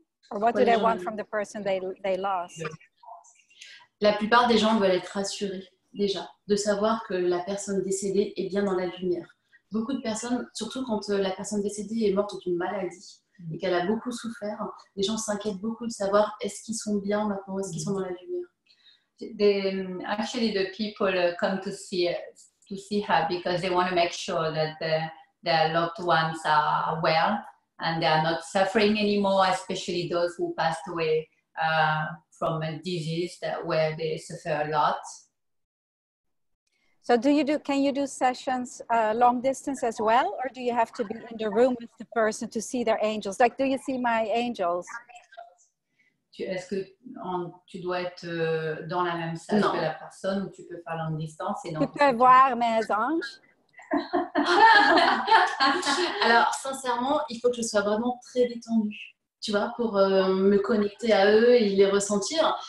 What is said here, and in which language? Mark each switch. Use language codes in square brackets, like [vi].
[en] Or what do they want from the person they lost? [fr] La plupart des gens veulent être rassurés, déjà, de savoir que la personne décédée est bien dans la lumière. Beaucoup de personnes, surtout quand la personne décédée est morte d'une maladie et qu'elle a beaucoup souffert, les gens s'inquiètent beaucoup de savoir est-ce qu'ils sont bien maintenant, est-ce qu'ils sont dans la lumière. [en] Actually, the people come to see her because they want to make sure that their loved ones are well and they are not suffering anymore, especially those who passed away from a disease where they suffer a lot. So can you do sessions long distance as well, or do you have to be in the room with the person to see their angels? Like, do you see my angels? [fr] Est-ce que tu dois être dans la même salle que la personne, ou tu peux faire [en] long distance [fr] et non? Tu peux voir mes anges? Alors, sincèrement, il faut que je sois vraiment très détendue, tu vois, pour me connecter à eux et les ressentir.